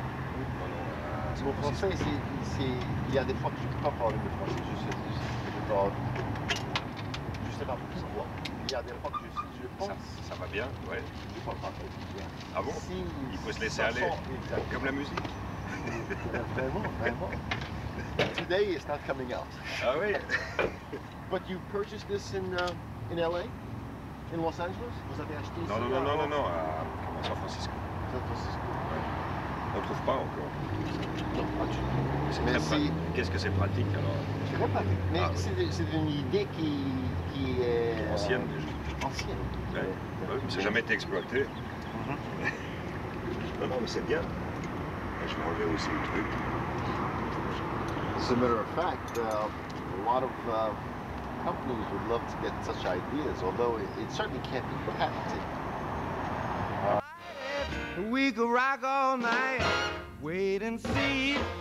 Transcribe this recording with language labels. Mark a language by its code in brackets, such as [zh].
[fr] Non, non. C'est mon français, c'est... Il y a des fois que je ne peux pas parler de français, je sais pas pourquoi. Il y a des fois que je pense... Ça va bien, ouais. Je parle pas très bien. Ah bon? Si, il faut se laisser aller, sens, comme la musique. Vraiment, vraiment. [en] Today, it's not coming out. [fr] Ah oui? [en] But you purchased this in LA? In Los Angeles? [fr] Vous avez acheté ça? Non, à San Francisco. San Francisco. On ne trouve pas encore. Non, pas du tout. C'est très pratique. Qu'est-ce que c'est pratique alors? C'est très pratique. Mais c'est une idée qui est. Ancienne déjà. Ancienne. Ouais. Ouais, c'est jamais été exploité. Mm-hmm. Non, mais c'est bien. Et je vais enlever aussi le truc. [en] As a matter of fact, a lot of companies would love to get such ideas, although it certainly can't be patented. We could rock all night, wait and see.